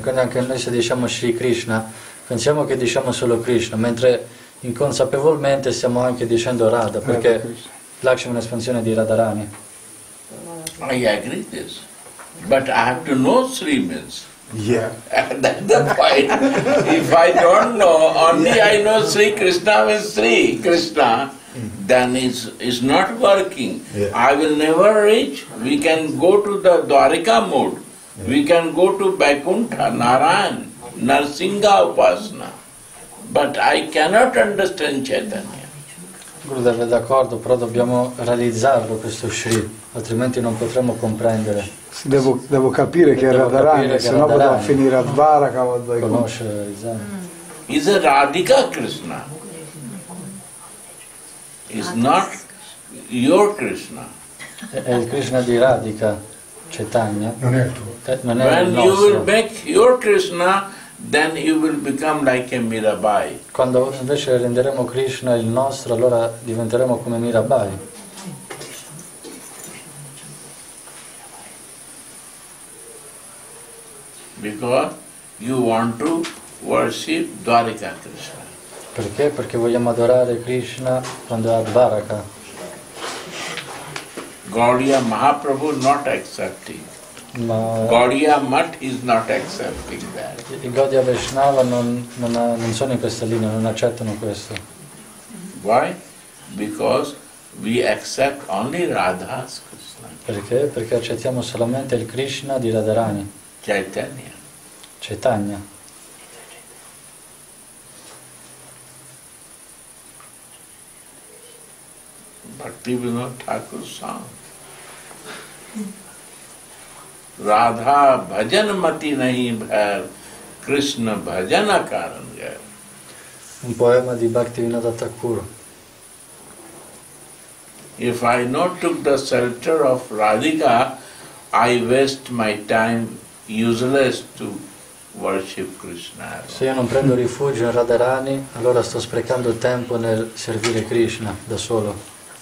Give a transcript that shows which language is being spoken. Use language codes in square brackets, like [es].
[it] Quindi anche noi se diciamo Shri Krishna, pensiamo che diciamo solo Krishna, mentre inconsapevolmente stiamo anche dicendo Radha, perché Lakshmi è un'espansione di Radharani. [en] I agree this, but I have to know Sri means. Yeah. That's the point. If I don't know, only yeah. I know Sri Krishna means Sri Krishna, mm-hmm. then it's not working. Yeah. I will never reach. We can go to the Dwarika mode. Yeah. We can go to Vaikuntha, Narayan, Narsingha Upasana. But I cannot understand Chaitanya. [it] Gurudev è d'accordo, però dobbiamo realizzarlo questo Sri, altrimenti non potremo comprendere. Devo capire che è Radharani, sennò potrò finire a Dvaraka o a Vaikuntha. Conosce Radharani. [en] Is a Radhika Krishna. Is not your Krishna. [it] È il Krishna di Radhika, Chaitanya. Non è il tuo. Non è il nostro. [en] When you will make your Krishna, then you will become like a Mirabai. [it] Quando invece renderemo Krishna il nostro, allora diventeremo come Mirabai. [en] Because you want to worship Dwarika Krishna. [it] Perché? Perché vogliamo adorare Krishna quando è a Dwaraka. [en] Gaudiya Mahaprabhu not accepting. [it] Ma [en] Gaudiya Math is not accepting that. [it] I Gaudiya Vaishnava non sono in questa linea, non accettano questo. [en] Why? Because we accept only Radha's Krishna. [it] Perché? Perché accettiamo solamente il Krishna di Radharani. Chaitanya. Chaitanya. [en] Bhakti Vinod Thakur sang. [bn] Radha bhajan mati nahi bhair, Krishna bhajan akaran gair. [it] Un poema di Bhakti Vinod Thakur. [en] If I not took the shelter of Radhika, I waste my time useless to worship Krishna. [it] Se io non prendo rifugio in Radharani, allora sto sprecando tempo nel servire Krishna da solo.